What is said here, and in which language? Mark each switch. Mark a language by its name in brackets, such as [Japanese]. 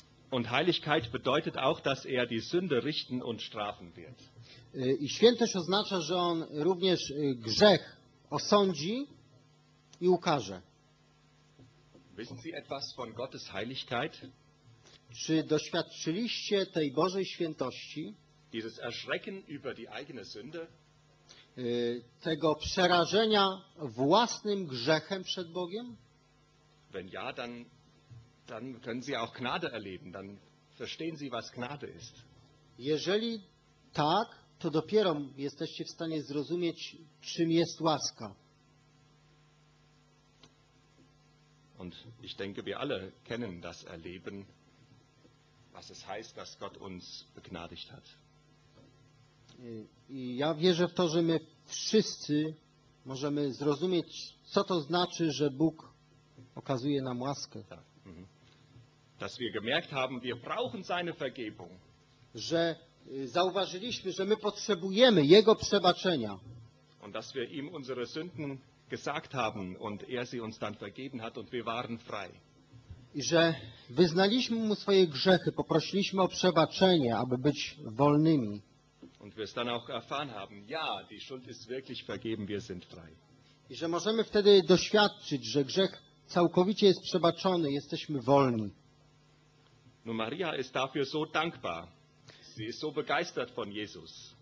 [German] Und Heiligkeit bedeutet auch, dass er die Sünde richten und strafen wird. [Polish] I świętość oznacza, że on również grzech osądzi i ukaże. [German] Wissen Sie etwas von Gottes Heiligkeit? [Polish] Czy doświadczyliście tej Bożej świętości? [German] Dieses Erschrecken über die eigene Sünde? [Polish] Tego przerażenia własnym grzechem przed Bogiem? [German] Wenn ja, dann können Sie auch Gnade erleben, dann verstehen Sie, was Gnade ist. [Polish] Jeżeli tak, to dopiero jesteście w stanie zrozumieć, czym jest łaska. [German] Und ich denke, wir alle kennen das Erleben, was es heißt, dass Gott uns begnadigt hat. [Polish] I ja wierzę w to, że my wszyscy możemy zrozumieć, co to znaczy, że Bóg okazuje nam łaskę. [German] Dass wir gemerkt haben, wir brauchen seine Vergebung. [Polish] Że zauważyliśmy, że my potrzebujemy Jego przebaczenia. [German] Und dass wir ihm unsere Sünden gesagt haben und er sie uns dann vergeben hat und wir waren frei. [Polish] I że wyznaliśmy mu swoje grzechy, poprosiliśmy o przebaczenie, aby być wolnymi. [German] Und wir es dann auch erfahren haben, ja, die Schuld ist wirklich vergeben, wir sind frei. [Polish] I że możemy wtedy doświadczyć, że grzech całkowicie jest przebaczony, jesteśmy wolni. [German] No Maria ist dafür so dankbar. Sie ist so begeistert von Jesus.